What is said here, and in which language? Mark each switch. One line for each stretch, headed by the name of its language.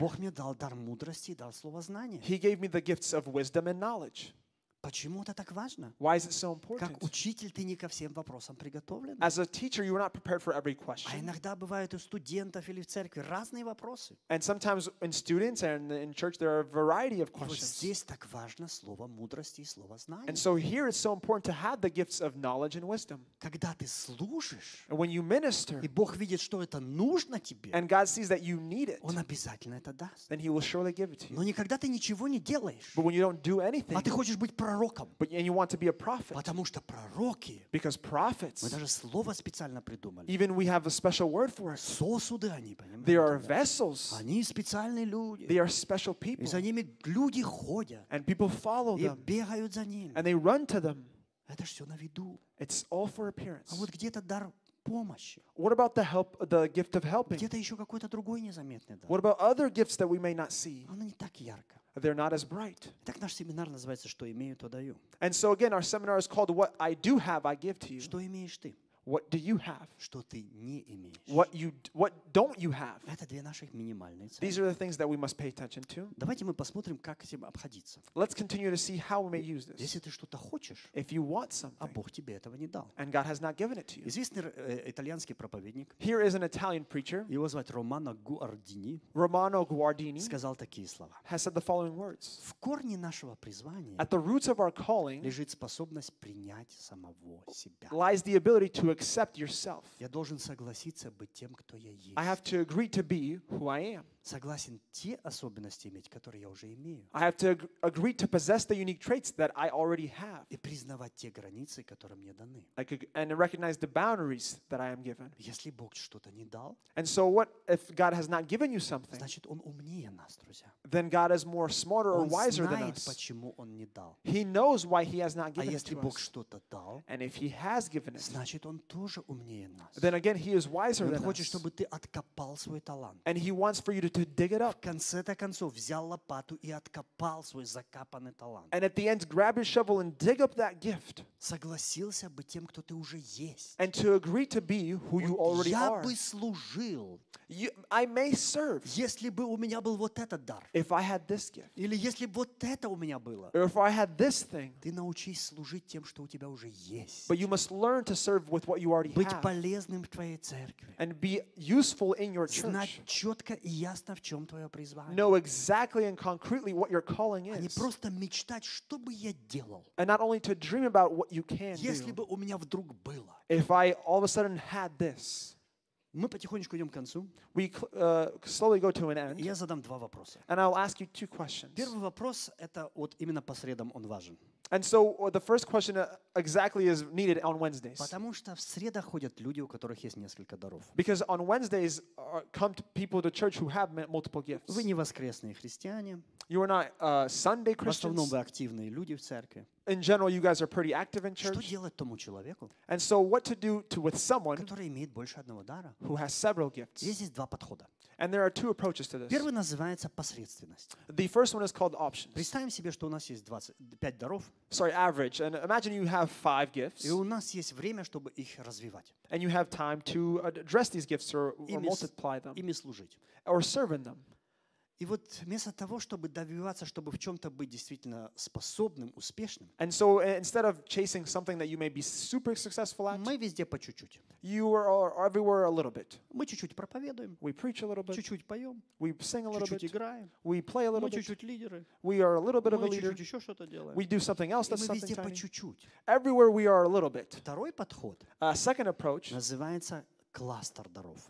Russian: Бог мне дал дар мудрости и дал слово знания.
English: He gave me the gifts of wisdom and knowledge.
Russian: Почему это так важно?
English: Why is it so important?
Russian: Как учитель ты не ко всем вопросам приготовлен.
English: As a teacher, you are not prepared for every question.
Russian: А иногда бывают у студентов или в церкви разные вопросы.
English: And sometimes in students and in church there are a variety of questions.
Russian: И вот здесь так важно слово мудрости и слово знания.
English: And so here it's so important to have the gifts of knowledge and wisdom.
Russian: Когда ты служишь,
English: and when you minister,
Russian: и Бог видит, что это нужно тебе,
English: and God sees that you need it,
Russian: Он обязательно это даст.
English: Then He will surely give it to you.
Russian: Но никогда ты ничего не делаешь.
English: But when you don't do anything,
Russian: а ты хочешь быть пророком.
English: But and you want to be a prophet.
Russian: Потому что пророки,
English: because prophets,
Russian: мы даже слово специально придумали.
English: Even we have a special word for it.
Russian: Сосуды они, понимаете?
English: They are vessels.
Russian: Они специальные люди.
English: They are special people.
Russian: И за ними люди ходят.
English: And people follow them.
Russian: И бегают за ними.
English: And they run to them.
Russian: Это все на виду.
English: It's all for appearance.
Russian: А вот где-то дар помощи.
English: What about the help, the gift of helping?
Russian: Где-то еще какой-то другой незаметный дар.
English: What about other gifts that we may not see?
Russian: Оно не так ярко.
English: They're not as bright.
Russian: Так наш семинар называется «Что имею, то даю».
English: And so again, our seminar is called What I Do Have, I Give to You.
Russian: Что имеешь ты?
English: What do you have?
Russian: Что ты не имеешь?
English: What don't you have?
Russian: Это две наших минимальные цели.
English: These are the things that we must pay attention to.
Russian: Давайте мы посмотрим, как этим обходиться.
English: Let's continue to see how we may use this.
Russian: Если ты что-то хочешь,
English: if you want something,
Russian: а Бог тебе этого не дал.
English: And God has not given it to you.
Russian: Известный итальянский проповедник.
English: Here is an Italian preacher.
Russian: Его зовут Романо Гуардини.
English: Romano Guardini
Russian: сказал такие слова.
English: Has said the following words.
Russian: В корне нашего призвания,
English: at the roots of our calling,
Russian: лежит способность принять самого себя.
English: Lies the ability to accept yourself.
Russian: Я должен согласиться быть тем, кто я есть.
English: I have to agree to be who I am.
Russian: Согласен те особенности иметь, которые я уже имею.
English: I have to agree to possess the unique traits that I already have.
Russian: И признавать те границы, которые мне даны.
English: And recognize the boundaries that I am given.
Russian: Если Бог что-то не дал,
English: and so what if God has not given you something?
Russian: Значит, Он умнее нас, друзья.
English: Then God is more smarter or wiser than us.
Russian: Он знает, почему Он не дал.
English: He knows why He has not given us.
Russian: А если Бог что-то дал,
English: and if He has given it,
Russian: значит, Он тоже умнее нас.
English: Then again, He is wiser than us.
Russian: Он хочет, чтобы ты откопал свой талант.
English: And He wants for you to dig it up.
Russian: В конце-то концов взял лопату и откопал свой закапанный талант.
English: And at the end, grab your shovel and dig up that gift.
Russian: Согласился бы тем, кто ты уже есть.
English: And to agree to be who you already are.
Russian: Я бы служил.
English: I may serve.
Russian: Если бы у меня был вот этот дар.
English: If I had this gift.
Russian: Или если бы вот это у меня было.
English: Or if I had this thing.
Russian: Ты научись служить тем, что у тебя уже есть.
English: But you must learn to serve with what you already have.
Russian: Быть полезным в твоей церкви.
English: And be useful in your church.
Russian: Знать четко и ясно, в чем твое призвание.
English: Know exactly and concretely what your calling is.
Russian: А не просто мечтать, что бы я делал.
English: And not only to dream about what you can do.
Russian: Если бы у меня вдруг было.
English: If I all of a sudden had this.
Russian: Мы потихонечку идем к концу.
English: We slowly go to an end.
Russian: Я задам два вопроса.
English: And I'll ask you two questions.
Russian: Первый вопрос это вот именно по средам он важен.
English: And so the first question exactly is needed on Wednesdays.
Russian: Потому что в среду ходят люди, у которых есть несколько даров.
English: Because on Wednesdays come to people to church who have multiple gifts.
Russian: Вы не воскресные христиане.
English: You are not Sunday Christians.
Russian: В основном вы активные люди в церкви.
English: In general, you guys are pretty active in church.
Russian: Что делать тому человеку?
English: And so what to do to with someone,
Russian: который имеет больше одного дара,
English: who has several gifts?
Russian: Здесь есть два подхода.
English: And there are two approaches to this.
Russian: Первый называется посредственность.
English: The first one is called options.
Russian: Представим себе, что у нас есть 25 даров.
English: Sorry, average. And imagine you have 5 gifts.
Russian: И у нас есть время, чтобы их развивать.
English: And you have time to address these gifts or multiply them.
Russian: Ими служить.
English: Or serve in them.
Russian: И вот вместо того, чтобы добиваться, чтобы в чем-то быть действительно способным, успешным,
English: and so instead of chasing something that you may be super successful at,
Russian: мы везде по чуть-чуть.
English: You are everywhere a little bit.
Russian: Мы чуть-чуть проповедуем.
English: We preach a little bit.
Russian: Чуть-чуть поем.
English: We sing a little
Russian: чуть-чуть
English: bit.
Russian: Играем.
English: We play a little
Russian: мы
English: bit.
Russian: Чуть-чуть лидеры.
English: We are a little bit
Russian: мы
English: of a leader.
Russian: Чуть-чуть еще что-то делаем.
English: We do something else that's something tiny.
Russian: Мы везде по чуть-чуть.
English: Everywhere we are a little bit.
Russian: Второй подход.
English: A second approach.
Russian: Называется кластер даров.